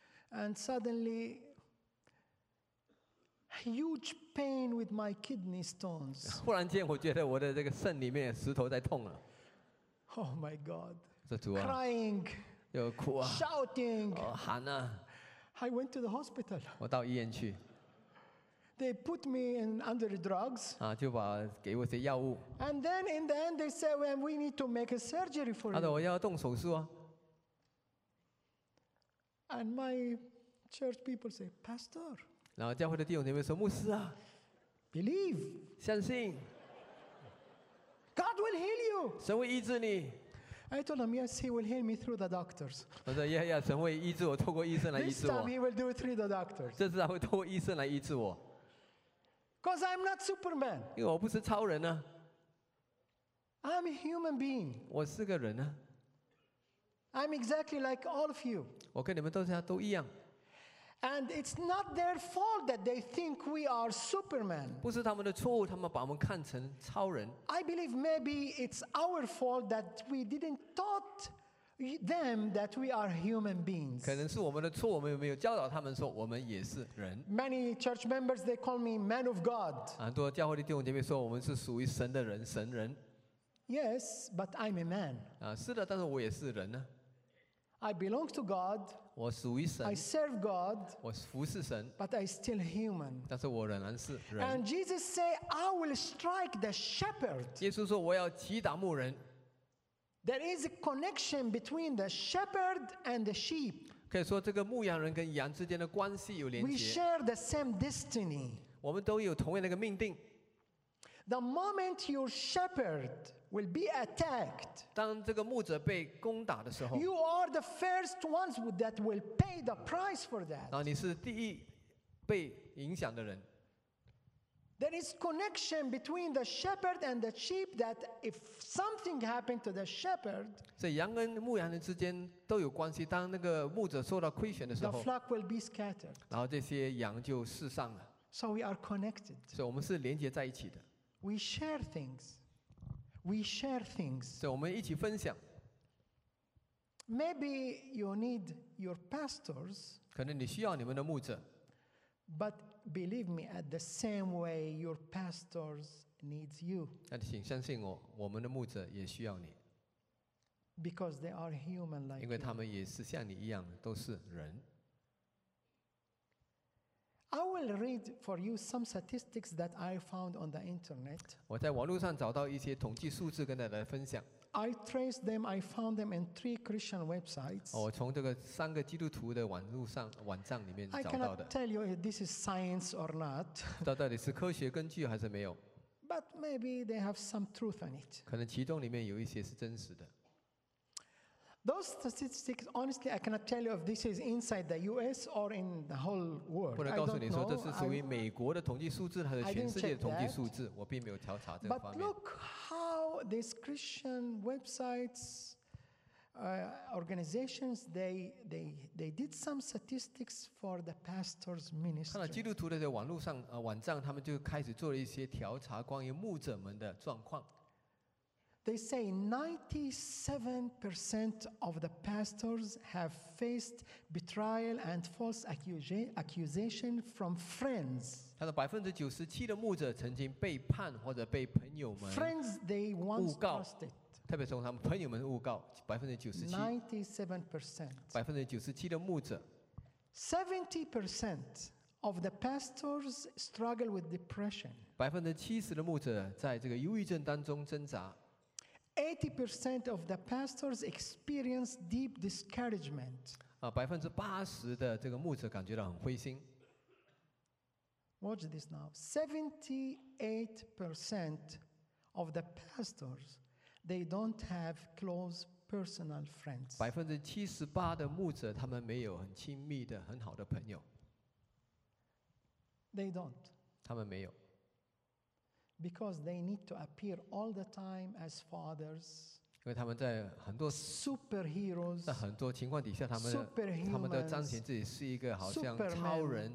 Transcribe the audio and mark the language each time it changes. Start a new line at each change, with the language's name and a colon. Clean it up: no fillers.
English: And suddenly, huge pain with my kidney stones.
Chinese: 忽然间，我觉得我的这个肾里面石头在痛了。
English: Oh my God. 啊、 crying,
Chinese: 又哭啊
English: shouting,
Chinese: 喊啊
English: I went to the hospital.
Chinese: 我到医院去。
English: They put me in under drugs.
Chinese: 就把给我些药物。
English: And then in the end, they said, "Well, we need to make a surgery for you."
Chinese: 我要动手术啊。
English: And my church people say, "Pastor."
Chinese: 然后教会的弟兄姐妹说，牧师啊
English: ，believe,
Chinese: 相信。
English: God will heal you.
Chinese: 神会医治你。
English: I told him, "Yes, he will heal me through the doctors."
Chinese: 我说 ，Yeah, yeah, 神会医治我，透过医生来医治我。
English: This time, he will do it through the doctors.
Chinese: 这次他会透过医生来医治我。
English: Because I'm not Superman.
Chinese: 因为我不是超人呢。
English: I'm a human being.
Chinese: 我是个人呢。
English: I'm exactly like all of you.
Chinese: 我跟你们都一样。
English: And it's not their fault that they think we are Superman.
Chinese: 不是他们的错误，他们把我们看成超人。
English: I believe maybe it's our fault that we didn't taught them that we are human beings.
Chinese: 可能是我们的错，我们有没有教导他们说我们也是人
English: ？Many church members they call me man of God.
Chinese: 很多教会的弟兄姐妹说我们是属于神的人，神人。
English: Yes, but I'm a man.
Chinese: 啊，是的，但是我也是人呢、啊。
English: I belong to God.
Chinese: 我属于神。
English: I serve God.
Chinese: 我服侍神。
English: But I still human.
Chinese: 但是我仍然是人。
English: And Jesus say, I will strike the shepherd.
Chinese: 耶稣说我要击打牧人。
English: There is a connection between the shepherd and the sheep.
Chinese: 可以说这个牧羊人跟羊之间的关系有连接。
English: We share the same destiny.
Chinese: 我们都有同样的一个命定。
English: The moment your shepherd will be attacked,
Chinese: 当这个牧者被攻打的时候
English: you are the first ones that will pay the price for that.
Chinese: 然后你是第一被影响的人。
English: There is connection between the shepherd and the sheep that if something happened to the shepherd,
Chinese: 所以羊跟牧羊人之间都有关系。当那个牧者受到亏损的时候
English: the flock will be scattered.
Chinese: 然后这些羊就四散了。
English: So we are connected.
Chinese: 所以我们是连接在一起的。
English: We share things. We share things.
Chinese: 所以我们一起分享。
English: Maybe you need your pastors.
Chinese: 可能你需要你们的牧者。
English: But believe me, at the same way, your pastors needs you.
Chinese: 但请相信我，我们的牧者也需要你。
English: Because they are human like you.
Chinese: 因为他们也是像你一样，都是人。
English: I will read for you some statistics that I found on the internet.
Chinese: 我在网络上找到一些统计数字跟大家来分享。
English: I traced them. I found them in three Christian websites.
Chinese: 我从这个三个基督徒的网络上网站里面找到的。
English: I cannot tell you if this is science or not.
Chinese: 这到底是科学根据还是没有
English: ？But maybe they have some truth in it.
Chinese: 可能其中里面有一些是真实的。
English: Those statistics, honestly, I cannot tell you if this is inside the U.S. or in the whole world.
Chinese: 不能告诉你说这是属于美国的统计数字还是全世界的统计数字，我并没有调查这方面。
English: But look how these Christian websites, organizations, they did some statistics for the pastors' ministry.
Chinese: 看到基督徒的这网络上网站，他们就开始做了一些调查，关于牧者们的状况。
English: They say 97% of the pastors have faced betrayal and false accusation from friends.
Chinese: 他说97%的牧者曾经背叛或者被朋友们
English: friends they once trusted.
Chinese: 特别从他们朋友们诬告97%。 97%。 97%的牧者。
English: 70% of the pastors struggle with depression.
Chinese: 70%的牧者在这个忧郁症当中挣扎。
English: 80% of the pastors experience deep discouragement.
Chinese: 80%的这个牧者感觉到很灰心。
English: Watch this now. 78% of the pastors, they don't have close personal friends.
Chinese: 78%的牧者他们没有很亲密的很好的朋友。
English: They don't.
Chinese: 他们没有。
English: Because they need to appear all the time as fathers,
Chinese: 因为他们在很多
English: superheroes,
Chinese: 在很多情况底下，他们都彰显自己是一个好像超人、